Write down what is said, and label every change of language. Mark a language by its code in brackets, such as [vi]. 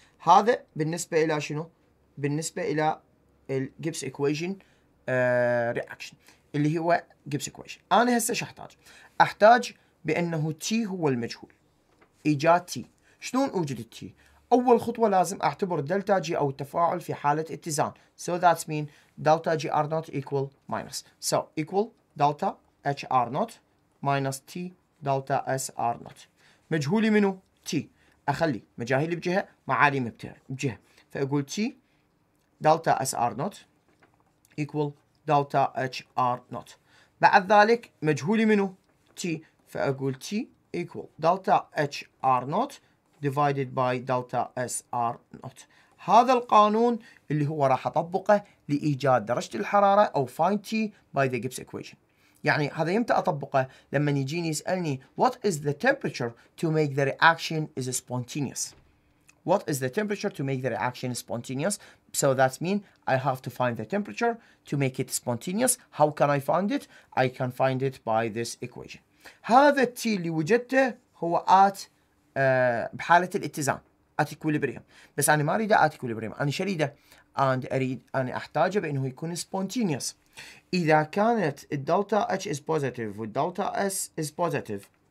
[ar] هذا بالنسبه الى شنو؟ بالنسبه الى الجيبس ايكويشن رياكشن اللي هو Gibbs equation. أنا هسه شو أحتاج؟ أحتاج بأنه T هو المجهول. إيجاد T. شلون أوجد T؟ أول خطوة لازم أعتبر دلتا G أو التفاعل في حالة اتزان. [en] So that means delta G R not equal minus. So equal delta H R not minus T delta S R not. [ar] مجهولي منو؟ T. أخلي مجاهيلي بجهة معالي بجهة. فأقول [en] T delta S R not equal delta H R not. [ar] بعد ذلك مجهولي منه [en] T [ar] فأقول [en] T equal delta H R naught divided by delta S R naught. [ar] هذا القانون اللي هو راح أطبقه لإيجاد درجة الحرارة أو [en] find T by the Gibbs equation. [ar] يعني هذا يمتى أطبقه؟ لما يجيني يسألني [en] what is the temperature to make the reaction is spontaneous. What is the temperature to make the reaction spontaneous? So that means I have to find the temperature to make it spontaneous. How can I find it? I can find it by this equation. [ar] هذا T اللي وجدته هو at بحالة الاتزان. [en] At equilibrium. [ar] بس أنا ما أريده [en] at equilibrium. [ar] أنا شريده. And أريد أنا أحتاجه بأنه يكون spontaneous. إذا كانت [en] delta H is positive و delta S is positive.